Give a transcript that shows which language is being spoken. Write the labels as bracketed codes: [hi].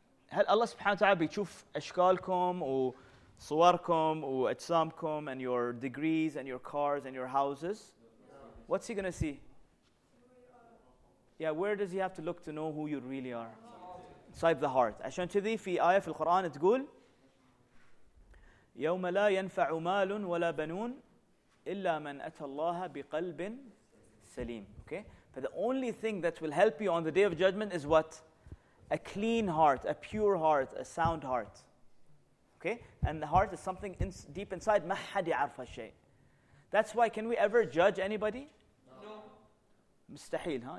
[ar] هل Allah سبحانه وتعالى بيشوف أشكالكم وصوركم وأجسامكم [en] and your degrees and your cars and your houses? What's he gonna see? Yeah, where does he have to look to know who you really are? Inside the heart. [ar] عشان كذي في آية في القرآن تقول يوم لا ينفع مال ولا بنون إلا من أتى الله بقلب سليم. [en] Okay? But the only thing that will help you on the day of judgment is what? A clean heart, a pure heart, a sound heart. Okay? And the heart is something deep inside. [ar] ما حد يعرف هالشيء. [en] That's why, can we ever judge anybody? مستحيل, huh?